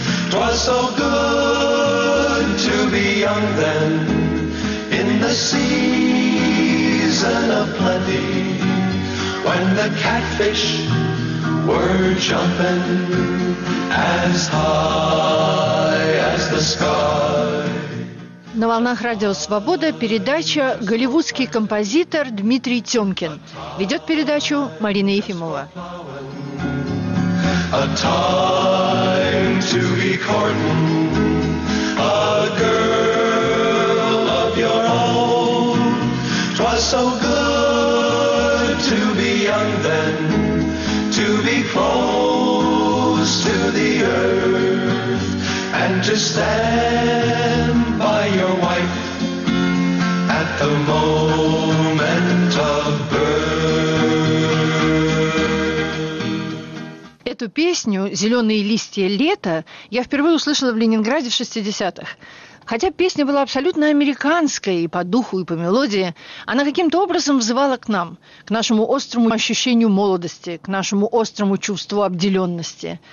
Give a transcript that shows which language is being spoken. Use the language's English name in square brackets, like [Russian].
[English] 'Twas so good to be young then in the season of plenty when the catfish were jumping as high as the sky. [Russian] На волнах радио «Свобода» передача «Голливудский композитор Дмитрий Тёмкин». Ведет передачу Марина Ефимова. [English] A time to be courting a girl of your own. 'Twas so good to be young then, to be close to the earth and to stand by your wife at the moment of birth. [Russian] Эту песню «Зеленые листья лета» я впервые услышала в Ленинграде в 60-х. Хотя песня была абсолютно американской и по духу, и по мелодии, она каким-то образом взывала к нам, к нашему острому ощущению молодости, к нашему острому чувству обделенности.